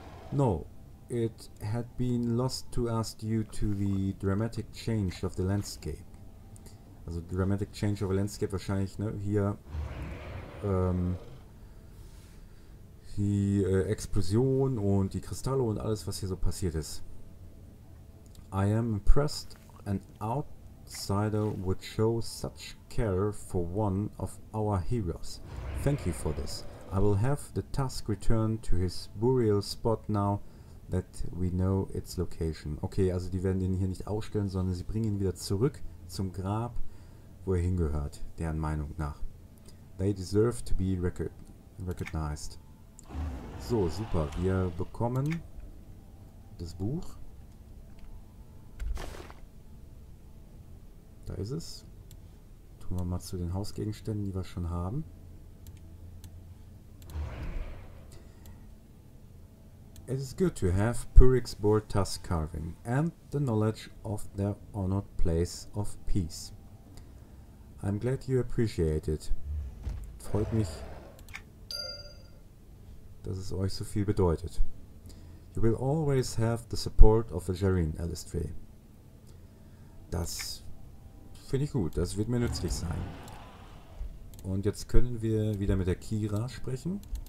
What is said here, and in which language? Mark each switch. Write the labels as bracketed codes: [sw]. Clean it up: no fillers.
[en] No, it had been lost to us due to the dramatic change of the landscape. [de] Also [en] dramatic change of a landscape [de] wahrscheinlich, ne, hier die Explosion und die Kristalle und alles, was hier so passiert ist. [en] I am impressed an outsider would show such care for one of our heroes. Thank you for this. I will have the tusk returned to his burial spot now that we know its location. [de] Okay, also die werden ihn hier nicht ausstellen, sondern sie bringen ihn wieder zurück zum Grab, wo er hingehört, deren Meinung nach. [en] They deserve to be recognized. So, super. [de] Wir bekommen das Buch. Da ist es. Tun wir mal zu den Hausgegenständen, die wir schon haben. [en] It is good to have Purik's boar tusk carving and the knowledge of their honored place of peace. I'm glad you appreciate it. [de] Freut mich, dass es euch so viel bedeutet. [en] You will always have the support of a Jarin, Alistair. [de] Das finde ich gut, das wird mir nützlich sein. Und jetzt können wir wieder mit der Kira sprechen.